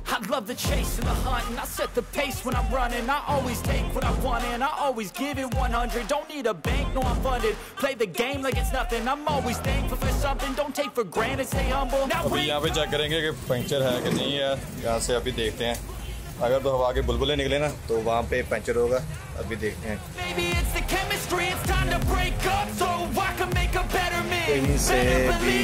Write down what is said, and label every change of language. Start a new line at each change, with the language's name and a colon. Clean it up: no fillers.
English: Love the chase and the hunt, and I set the pace when I'm running. I always take what I want, and I always give it 100. Don't need a bank, no, I'm funded. Play the game like it's nothing. I'm always thankful for something. Don't take for granted, stay humble. Now we
Hindi: यहाँ पे check करेंगे कि puncture है कि नहीं है, यहाँ से अभी देखते हैं। अगर तो हवा के बुलबुले निकले ना तो वहाँ पे पंचर होगा, अभी देखते हैं।
English: Maybe it's the chemistry, it's time to break up, so I can make a better me.